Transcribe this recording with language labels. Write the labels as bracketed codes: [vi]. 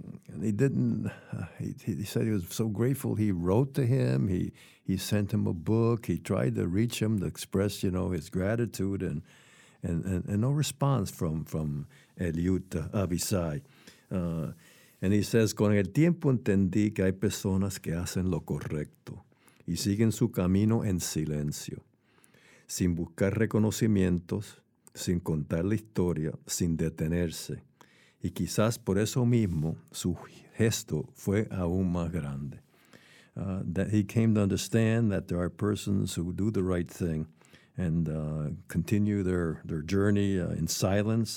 [en] And he didn't. He said he was so grateful. He wrote to him. He sent him a book. He tried to reach him to express, you know, his gratitude, and no response from Eliut Abisai. And he says, [es] "Con el tiempo entendí que hay personas que hacen lo correcto y siguen su camino en silencio, sin buscar reconocimientos, sin contar la historia, sin detenerse." Y quizás por eso mismo su gesto fue aún más grande. [en] That he came to understand that there are persons who do the right thing and continue their journey in silence.